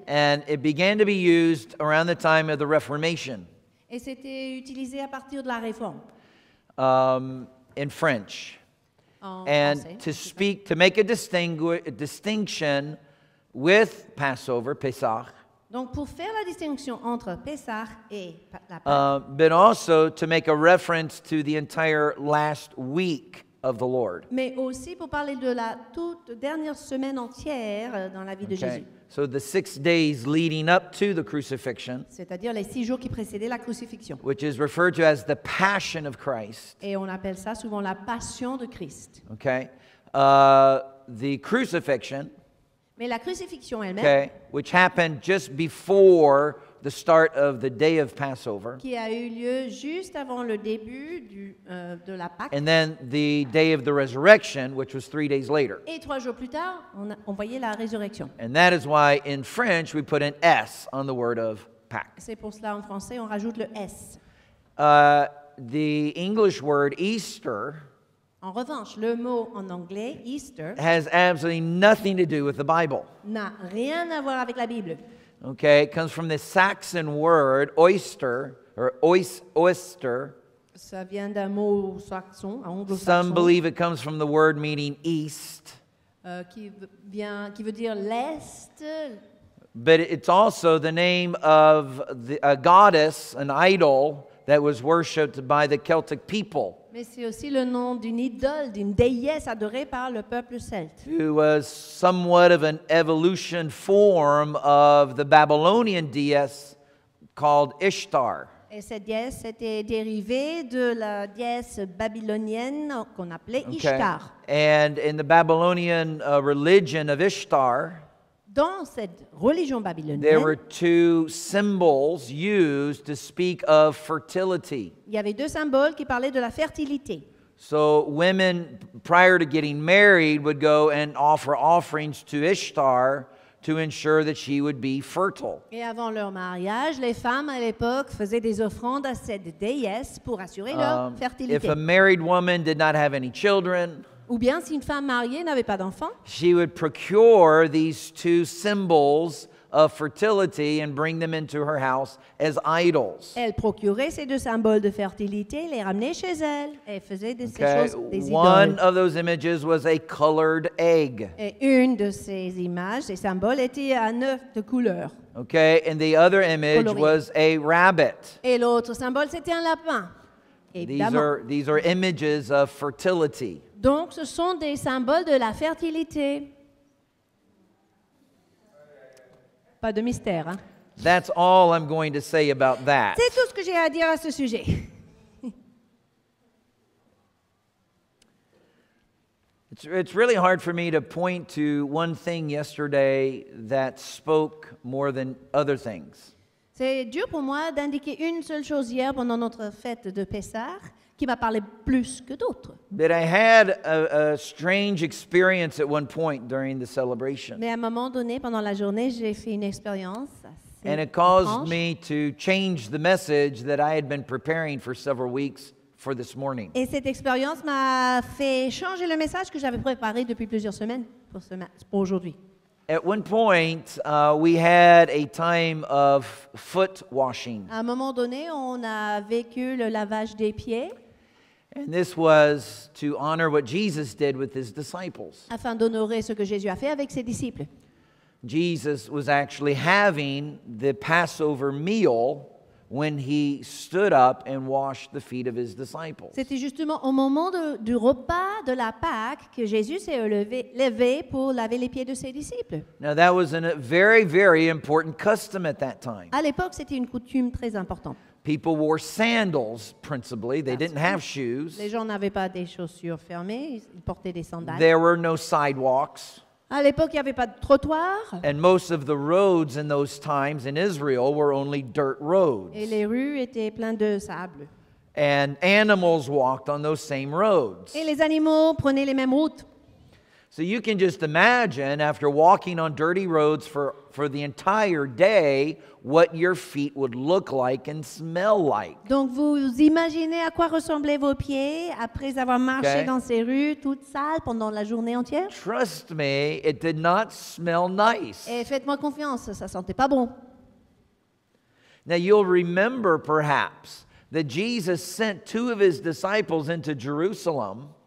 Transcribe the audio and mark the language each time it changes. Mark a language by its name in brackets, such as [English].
[English] And it began to be used around the time of the Reformation. [French] Et c'était utilisé à partir de la Réforme. [English] In French. And to speak, to make a distinction with Passover, Pesach. [French] Donc pour faire la distinction entre Pesach et la Pâque. [English] But also to make a reference to the entire last week of the Lord. [French] Mais aussi pour parler de la toute dernière semaine entière dans la vie de Jésus. [English] So the 6 days leading up to the crucifixion. [French] C'est-à-dire les 6 jours qui précédaient la crucifixion. [English] Which is referred to as the Passion of Christ. [French] Et on appelle ça souvent la Passion de Christ. [English] Okay. The crucifixion. [French] Mais la crucifixion elle-même. [English] Okay. Which happened just before the start of the day of Passover. [French] Qui a eu lieu juste avant le début du de la Pâque. [English] And then the day of the resurrection, which was 3 days later. [French] Et 3 jours plus tard, on voyait la résurrection. [English] And that is why in French we put an S on the word of Pâque. [French] C'est pour cela en français on rajoute le S. [English] The English word Easter. [French] En revanche, le mot en anglais Easter [English] has absolutely nothing to do with the Bible. [French] N'a rien à voir avec la Bible. [English] Okay, it comes from the Saxon word oyster or oyster. [French] Ça vient d'un mot saxon, anglo-saxon. [English] Some believe it comes from the word meaning east. [French] Qui veut dire l'est. [English] But it's also the name of a goddess, an idol that was worshipped by the Celtic people. [French] Mais c'est aussi le nom d'une idole, d'une déesse adorée par le peuple celte. [English] Who was somewhat of an evolution form of the Babylonian deesse called Ishtar. [French] Et cette déesse était dérivée de la déesse babylonienne qu'on appelait Ishtar. [English] Okay. And in the Babylonian religion of Ishtar, [French] dans cette religion babylonienne, [English] there were two symbols used to speak of fertility. [French] Il y avait deux symboles qui parlaient de la fertilité. [English] So women, prior to getting married, would go and offer offerings to Ishtar to ensure that she would be fertile. [French] Et avant leur mariage, les femmes à l'époque faisaient des offrandes à cette déesse pour assurer leur fertilité. [English] If a married woman did not have any children, [French] ou bien si une femme mariée n'avait pas d'enfant, [English] she would procure these two symbols of fertility and bring them into her house as idols. [French] Elle procurait ces deux symboles de fertilité, les ramenait chez elle et faisait de ces choses des idoles. [English] One of those images was a colored egg. [French] Et une de ces images, ces symboles, était un œuf de couleur. [English] Okay, and the other image [French] colorée [English] was a rabbit. [French] Et l'autre symbole, c'était un lapin. [English] These are images of fertility. [French] Donc, ce sont des symboles de la fertilité. Pas de mystère, hein? [English] That's all I'm going to say about that. [French] C'est tout ce que j'ai à dire à ce sujet. [English] It's really hard for me to point to one thing yesterday that spoke more than other things. [French] C'est dur pour moi d'indiquer une seule chose hier pendant notre fête de Pessah qui m'a parlé plus que d'autres. [English] But I had a strange experience at one point during the celebration. [French] Mais à un moment donné, pendant la journée, j'ai fait une expérience assez étrange. [English] And it caused me to change the message that I had been preparing for several weeks for this morning. [French] Et cette expérience m'a fait changer le message que j'avais préparé depuis plusieurs semaines pour aujourd'hui. [English] At one point, we had a time of foot washing. [French] À un moment donné, on a vécu le lavage des pieds. [English] And this was to honor what Jesus did with his disciples. [French] Afin d'honorer ce que Jésus a fait avec ses disciples. [English] Jesus was actually having the Passover meal when he stood up and washed the feet of his disciples. [French] C'était justement au moment du repas de la Pâque que Jésus s'est levé pour laver les pieds de ses disciples. [English] Now that was a very, very important custom at that time. [French] À l'époque, c'était une coutume très importante. [English] People wore sandals principally. They didn't have shoes. [French] Les gens n'avaient pas des chaussures fermées. Ils portaient des sandales. [English] There were no sidewalks. [French] À l'époque, il n'y avait pas de trottoir. [English] And most of the roads in those times in Israel were only dirt roads. [French] Et les rues étaient pleines de sable. [English] And animals walked on those same roads. [French] Et les animaux prenaient les mêmes routes. [English] So you can just imagine, after walking on dirty roads for the entire day, what your feet would look like and smell like. [French] Donc vous imaginez à quoi ressemblaient vos pieds après avoir marché dans ces rues toutes sales pendant la journée entière? [English] Trust me, it did not smell nice. [French] Et faites-moi confiance, ça sentait pas bon. [English] Now you'll remember perhaps that Jesus sent two of his disciples into Jerusalem.